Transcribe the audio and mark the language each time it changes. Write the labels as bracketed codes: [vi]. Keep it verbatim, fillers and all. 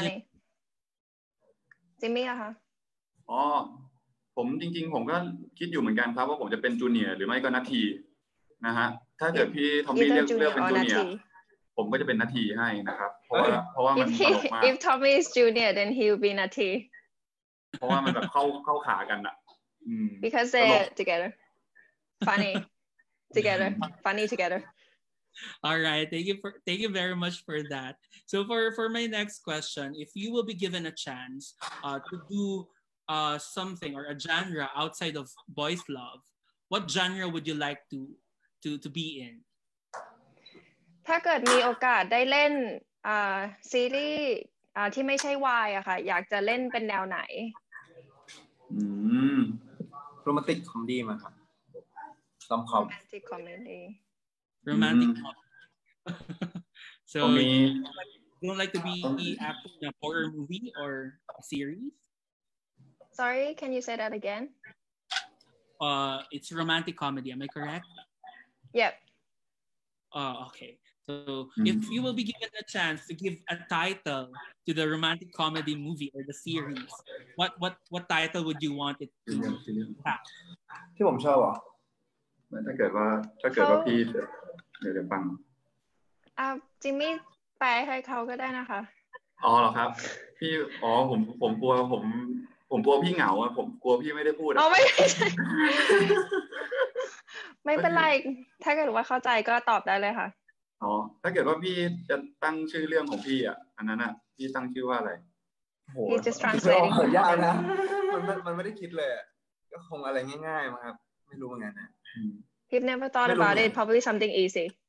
[th] funny Jimmy อะคะ อ๋อผมจริงๆผมก็คิดอยู่เหมือนกันครับว่าผมจะเป็นจูเนียร์หรือไม่ก็นาทีนะฮะถ้าเกิดพี่ทอมมี่เลือกเลือกเป็นจูเนียร์ผมก็จะเป็นนาทีให้นะครับเพราะว่าเพราะว่ามันตลกมาก [en] If Tommy is junior then he will be Nati [th] เพราะว่ามันแบบเข้าเข้าขากันอะ [en] Because they're together. Funny together, funny together. All right, thank you for thank you very much for that. So for for my next question, if you will be given a chance uh, to do uh, something or a genre outside of boys' love, what genre would you like to to to be in? [th] ถ้าเกิดมีโอกาสได้เล่นอ่าซีรีส์อ่าที่ไม่ใช่ วาย อ่ะค่ะอยากจะเล่นเป็นแนวไหน อืม โรแมนติกคอมเมดี้มั้งครับ [en] romantic comedy romantic comedy so me, you don't like to be acting in a horror movie or a series sorry can you say that again uh it's romantic comedy am I correct yep uh okay so mm-hmm. if you will be given a chance to give a title to the romantic comedy movie or the series what what what title would you want it to have [th] ที่ผมชอบอ่ะ ถ้าเกิดว่าถ้าเกิดว่าพี่เดี๋ยวเดี๋ยวฟัง อ่าจิมมี่แปลให้เขาก็ได้นะคะ อ๋อเหรอครับพี่อ๋อผมผมกลัวผมผมกลัวพี่เหงาอ่ะผมกลัวพี่ไม่ได้พูด อ๋อไม่ใช่ไม่เป็นไรถ้าเกิดว่าเข้าใจก็ตอบได้เลยค่ะ อ๋อถ้าเกิดว่าพี่จะตั้งชื่อเรื่องของพี่อ่ะอันนั้นอ่ะพี่ตั้งชื่อว่าอะไร โหtranslating ยากนะมันมันไม่ได้คิดเลยก็คงอะไรง่ายๆมาครับไม่รู้เหมือนกันนะ [en] He've never thought about it. Probably something easy.